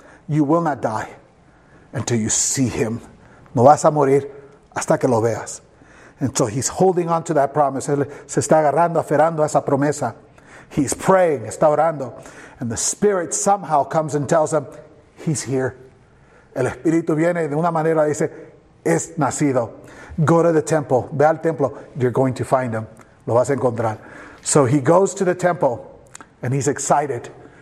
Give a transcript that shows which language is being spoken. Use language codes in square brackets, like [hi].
[en] You will not die until you see him. [es] No vas a morir hasta que lo veas. [en] And so he's holding on to that promise. [es] Él se está agarrando, aferrando a esa promesa. [en] He's praying, [es] está orando. [en] And the Spirit somehow comes and tells him, he's here. [es] El Espíritu viene y de una manera dice, es nacido. [en] Go to the temple. [es] Ve al templo. [en] You're going to find him. [es] Lo vas a encontrar. [en] So he goes to the temple and he's excited.